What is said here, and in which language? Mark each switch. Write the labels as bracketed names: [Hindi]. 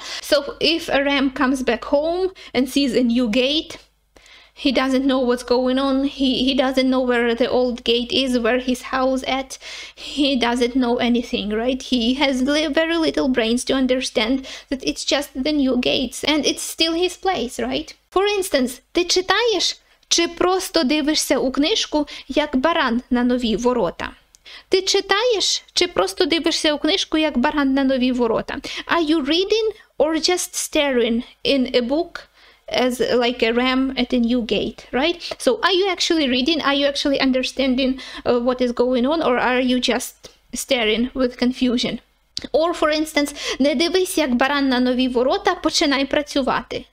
[English] So if a ram comes back home and sees a new gate, he doesn't know what's going on. He doesn't know where the old gate is, where his house at. He doesn't know anything, right? He has very little brains to understand that it's just the new gates and it's still his place, right? For instance, [Ukrainian] ти читаєш чи просто дивишся у книжку, як баран на нові ворота? Ти читаєш чи просто дивишся у книжку, як баран на нові ворота? [English] Are you reading or just staring in a book? As like a ram at a new gate, right? So are you actually reading? Are you actually understanding what is going on? Or are you just staring with confusion? Or for instance, [Ukrainian] не дивись як баран на нові ворота, починай працювати.